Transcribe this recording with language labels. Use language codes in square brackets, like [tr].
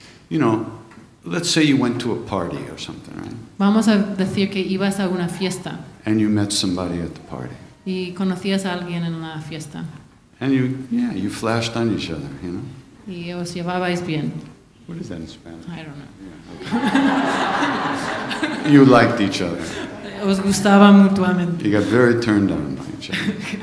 [en] You know, let's say you went to a party or something, right? [es] Vamos a decir que ibas a una fiesta. [en] And you met somebody at the party. [es] Y conocías a alguien en la fiesta. [en] And you flashed on each other, you know? [es] Y os llevabais bien. [en] What is that in Spanish? I don't know. Yeah, okay. You liked each other. [es] Os gustaba mutuamente. [en] You got very turned on by each other.